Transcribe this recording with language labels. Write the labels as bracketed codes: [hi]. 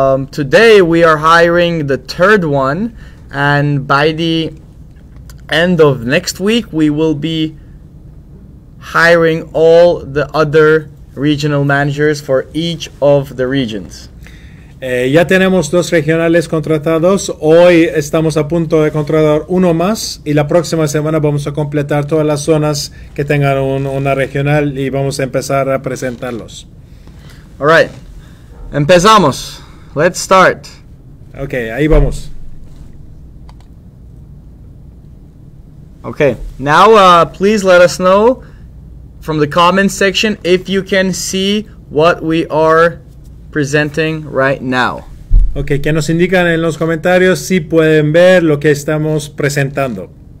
[en] Today, we are hiring the third one. And by the end of next week, we will be hiring all the other regional managers for each of the regions. [es] Ya tenemos 2 regionales contratados. Hoy estamos a punto de contratar uno más y la próxima semana vamos a completar todas las zonas que tengan una regional y vamos a empezar a presentarlos. [en] All right. [es] Empezamos. [en] Let's start. [es] Okay, ahí vamos. [en] Okay. Now please let us know from the comments section if you can see what we are presenting right now. [es] Okay, que nos indican en los comentarios si pueden ver lo que estamos presentando.